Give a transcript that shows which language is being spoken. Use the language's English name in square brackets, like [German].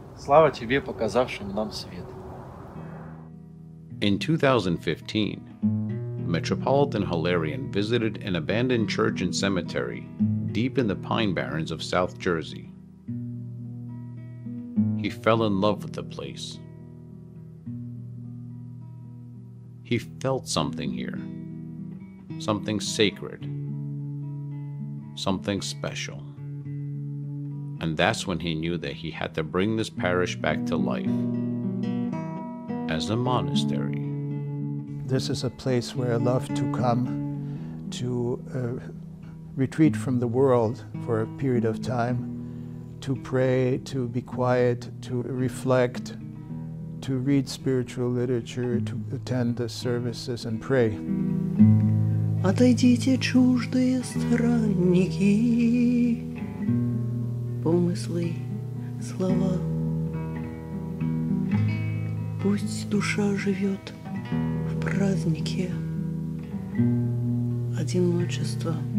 [Russian] Слава тебе, показавшим нам свет. [English] In 2015, Metropolitan Hilarion visited an abandoned church and cemetery deep in the Pine Barrens of South Jersey. He fell in love with the place. He felt something here. Something sacred. Something special. And that's when he knew that he had to bring this parish back to life as a monastery. This is a place where I love to come to retreat from the world for a period of time, to pray, to be quiet, to reflect, to read spiritual literature, to attend the services and pray. [Russian] Отойдите, чуждые странники. помыслы, слова. Пусть душа живет в празднике одиночества.